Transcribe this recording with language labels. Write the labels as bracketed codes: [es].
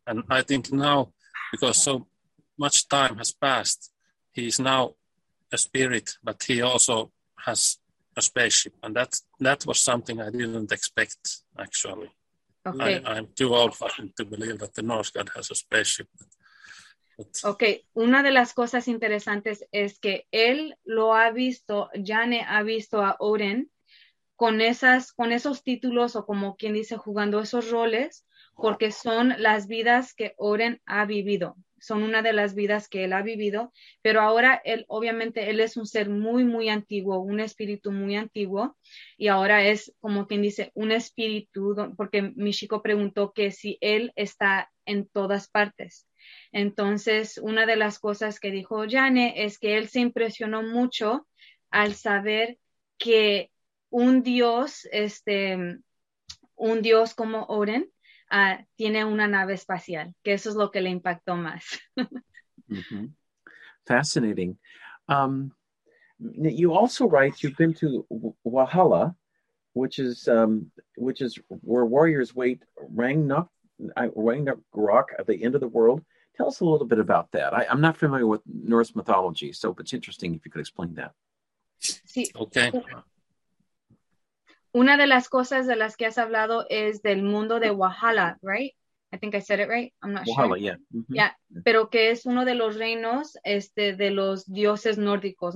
[en] And I think now, because so much time has passed, he is now a spirit, but he also has a spaceship. And that was something I didn't expect, actually. Okay. I'm too old-fashioned to believe that the Norse god has a spaceship. [es] Okay, una de las cosas interesantes es que él lo ha visto, Janne ha visto a Odin con esos títulos, o como quien dice, jugando esos roles, porque son las vidas que Odin ha vivido, son una de las vidas que él ha vivido, pero ahora él, obviamente, él es un ser muy, muy antiguo, un espíritu muy antiguo, y ahora es como quien dice, un espíritu, porque Michiko preguntó que si él está en todas partes. Entonces, una de las cosas que dijo Janne es que él se impresionó mucho al saber que un dios, un dios como Odin, tiene una nave espacial, que eso es lo que le impactó más. [en] Fascinating. You also write you've been to Valhalla, which is where warriors wait Ragnarok at the end of the world. Tell us a little bit about that. I'm not familiar with Norse mythology, so it's interesting if you could explain that. [es] Sí. [en] Okay. [es] Una de las cosas de las que has hablado es del mundo de Valhalla, [en] right? I think I said it right. I'm not sure. Valhalla, yeah. Mm-hmm. [es] Yeah, pero que es uno de los reinos de los dioses nórdicos.